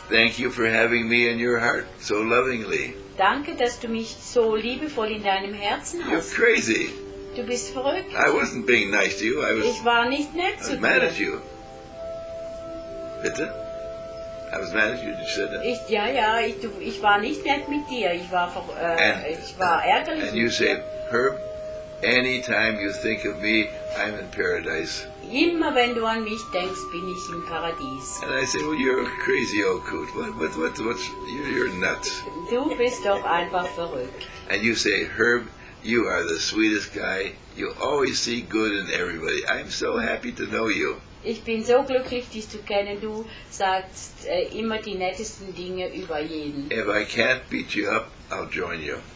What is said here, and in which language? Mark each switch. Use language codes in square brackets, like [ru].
[en] Thank you for having me in your heart so lovingly. [de] Danke, dass du mich so liebevoll in deinem Herzen hast. [en] You're crazy. [de] Du bist verrückt. [en] I wasn't being nice to you. [de] Ich war nicht nett zu dir. [en] I was mad at you. Bitte? I was mad at you. Did you say that? [de] Ich war nicht nett mit dir. Ich war ärgerlich. [en] And you say, Herb, anytime you think of me, I'm in paradise. [de] Immer wenn du an mich denkst, bin ich im Paradies. [en] And I say, well, you're a crazy old coot. You're nuts. [de] Du bist doch einfach verrückt. [en] And you say, Herb, you are the sweetest guy. You always see good in everybody. I'm so happy to know you. [de] Ich bin so glücklich, dich zu kennen. Du sagst immer die nettesten Dinge über jeden. [en] If I can't beat you up, I'll join you.